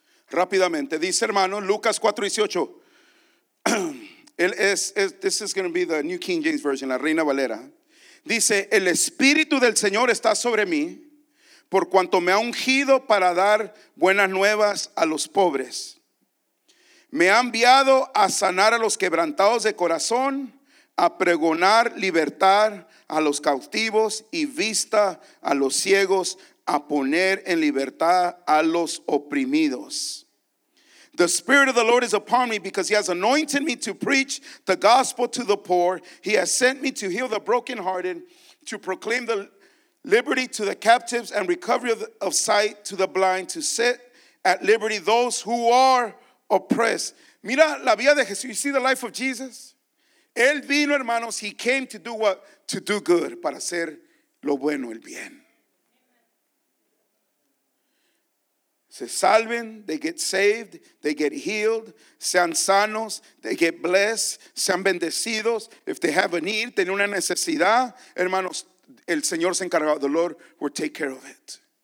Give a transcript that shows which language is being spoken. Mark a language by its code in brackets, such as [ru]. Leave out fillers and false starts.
[es] Rápidamente, dice hermano, Lucas 4:18. [en] This is going to be the New King James Version, la Reina Valera. [es] Dice, el Espíritu del Señor está sobre mí, por cuanto me ha ungido para dar buenas nuevas a los pobres. Me ha enviado a sanar a los quebrantados de corazón, a pregonar libertad a los cautivos y vista a los ciegos, a poner en libertad a los oprimidos. [en] The Spirit of the Lord is upon me because he has anointed me to preach the gospel to the poor. He has sent me to heal the brokenhearted, to proclaim the liberty to the captives and recovery of sight to the blind, to set at liberty those who are oppressed. [es] Mira la vida de Jesús. [en] You see the life of Jesus? [es] Él vino, hermanos. [en] He came to do what? To do good, [es] para hacer lo bueno, el bien. Se salven, [en] they get saved, they get healed, [es] sean sanos, [en] they get blessed, [es] sean bendecidos. [en] If they have a need, [es] tienen una necesidad, hermanos, el Señor se encarga, [en] the Lord will take care of it.